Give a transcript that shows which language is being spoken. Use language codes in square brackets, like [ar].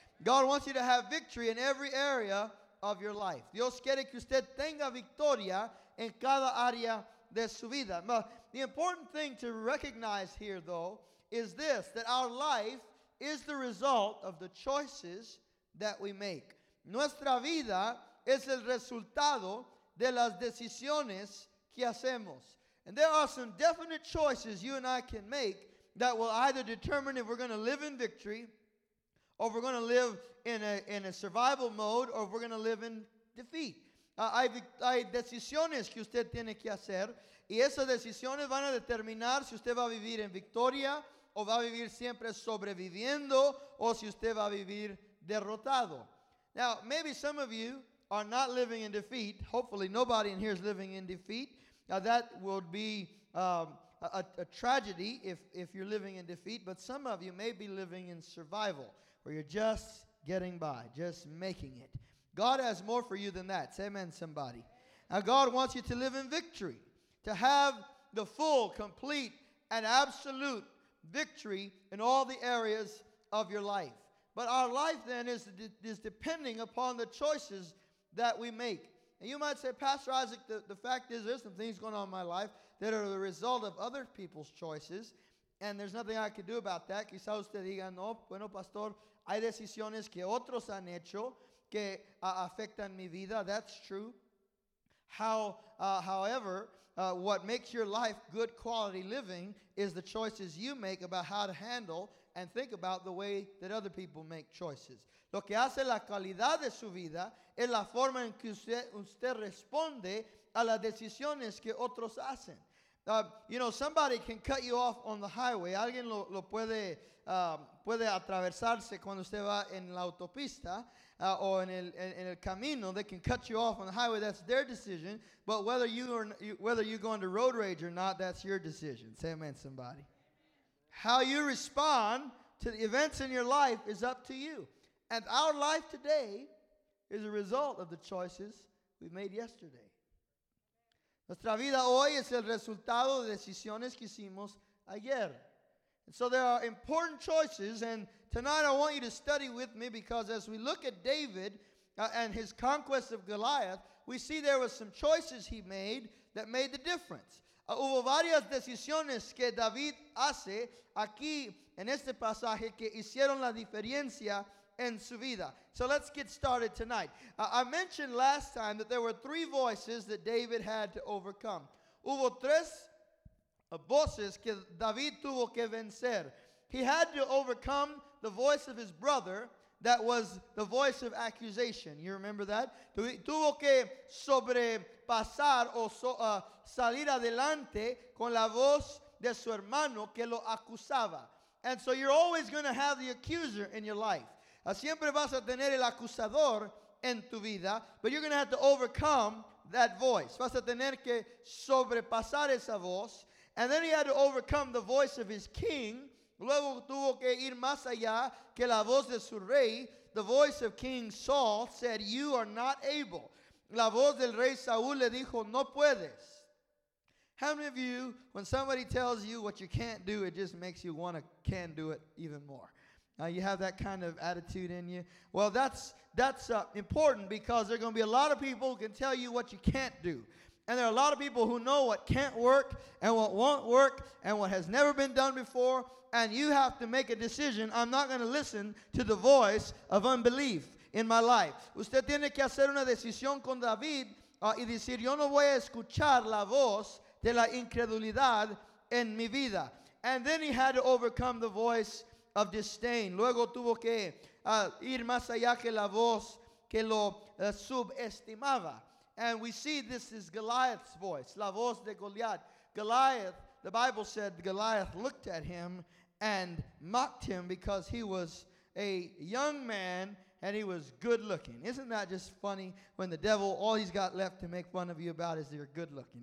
[en] God wants you to have victory in every area of your life. [es] Dios quiere que usted tenga victoria en cada área de su vida. [en] But the important thing to recognize here, though, is this, that our life is the result of the choices that we make. [es] Nuestra vida es el resultado de las decisiones que hacemos. [en] And there are some definite choices you and I can make that will either determine if we're going to live in victory, or if we're going to live in a survival mode, or if we're going to live in defeat. [es] Hay decisiones que usted tiene que hacer, y esas decisiones van a determinar si usted va a vivir en victoria, o va a vivir siempre sobreviviendo, o si usted va a vivir derrotado. [en] Now, maybe some of you are not living in defeat. Hopefully nobody in here is living in defeat. Now, that would be a tragedy if you're living in defeat, but some of you may be living in survival, where you're just getting by, just making it. God has more for you than that. Say amen, somebody. Now, God wants you to live in victory, to have the full, complete, and absolute victory in all the areas of your life. But our life, then, is depending upon the choices that we make. And you might say, Pastor Isaac, the fact is there's some things going on in my life that are the result of other people's choices, and there's nothing I can do about that. [es] Quizá usted diga, no, bueno, pastor, hay decisiones que otros han hecho que afectan mi vida. [en] That's true. However, what makes your life good quality living is the choices you make about how to handle and think about the way that other people make choices. [es] Lo que hace la calidad de su vida es la forma en que usted responde a las decisiones que otros hacen. [en] Somebody can cut you off on the highway. [es] Alguien lo puede puede atravesarse cuando usted va en la autopista o en el camino. [en] They can cut you off on the highway. That's their decision. But whether you go into road rage or not, that's your decision. Say amen, somebody. How you respond to the events in your life is up to you. And our life today is a result of the choices we made yesterday. [es] Nuestra vida hoy es el resultado de decisiones que hicimos ayer. [en] And so there are important choices, and tonight I want you to study with me, because as we look at David and his conquest of Goliath, we see there were some choices he made that made the difference. [es] Hubo varias decisiones que David hace aquí en este pasaje que hicieron la diferencia en su vida. [en] So let's get started tonight. I mentioned last time that there were three voices that David had to overcome. [es] Hubo tres voces que David tuvo que vencer. [en] He had to overcome the voice of his brother, that was the voice of accusation. You remember that? [es] Tuvo que sobrepasar o salir adelante con la voz de su hermano que lo acusaba. [en] And so you're always going to have the accuser in your life. [es] Siempre vas a tener el acusador en tu vida, [en] but you're going to have to overcome that voice. [es] Vas a tener que sobrepasar esa voz. [en] And then he had to overcome the voice of his king. [es] Luego tuvo que ir más allá que la voz de su rey. [en] The voice of King Saul said, "You are not able." [es] La voz del rey Saúl le dijo, "No puedes." [en] How many of you, when somebody tells you what you can't do, it just makes you want to can do it even more? You have that kind of attitude in you. Well, that's important, because there are going to be a lot of people who can tell you what you can't do. And there are a lot of people who know what can't work and what won't work and what has never been done before. And you have to make a decision. I'm not going to listen to the voice of unbelief in my life. [es] Usted tiene que hacer una decisión con David y decir, yo no voy a escuchar la voz de la incredulidad en mi vida. [en] And then he had to overcome the voice of disdain. [es] Luego tuvo que ir más allá que la voz que lo subestimaba. [en] And we see this is Goliath's voice, [es] la voz de Goliath. [en] Goliath, the Bible said, Goliath looked at him and mocked him because he was a young man and he was good looking. Isn't that just funny? When the devil, all he's got left to make fun of you about is you're good looking.